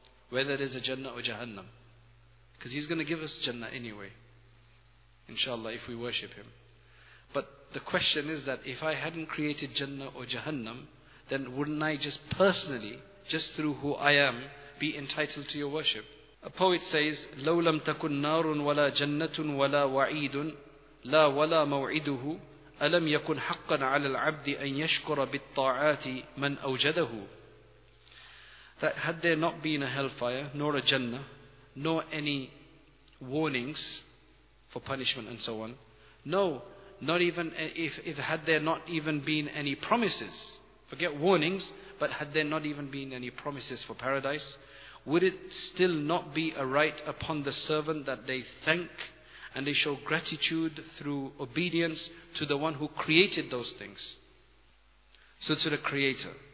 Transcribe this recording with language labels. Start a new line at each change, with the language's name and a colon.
English: Whether it is a Jannah or Jahannam. Because He's going to give us Jannah anyway. inshallah, if we worship Him. But the question is that if I hadn't created Jannah or Jahannam, then wouldn't I just personally, just through who I am, be entitled to your worship? A poet says,
Arabic: لَوْ لَمْ تَكُنْ نَارٌ وَلَا جَنَّةٌ وَلَا وَعِيدٌ لَا وَلَا مَوْعِدُهُ أَلَمْ يَكُنْ حَقًّا عَلَى الْعَبْدِ أَنْ يَشْكُرَ بِالطَّاعَاتِ مَنْ أَوْجَدَهُ.
English: That had there not been a hellfire, nor a Jannah, nor any warnings for punishment and so on, no, not even if had there not even been any promises, forget warnings, but had there not even been any promises for paradise, would it still not be a right upon the servant that they thank and they show gratitude through obedience to the one who created those things? So to the Creator.